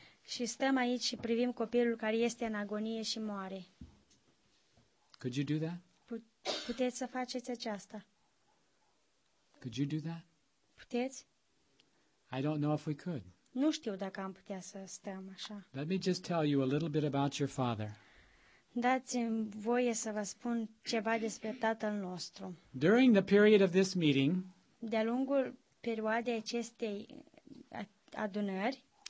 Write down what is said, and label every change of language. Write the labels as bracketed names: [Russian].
[Romanian] Și stăm aici și privim copilul care este în agonie și moare. [English] Could you do that? [Romanian] Puteți să faceți aceasta? [English] Could you do that? [Romanian] Puteți? [English] I don't know if we could. [Romanian] Nu știu dacă am putea să stăm așa. [English] Let me just tell you a little bit about your father. [Romanian] Dați-mi voie să vă spun ceva despre tatăl nostru. [English] During the period of this meeting, [Romanian] de-a lungul perioadei acestei adunări,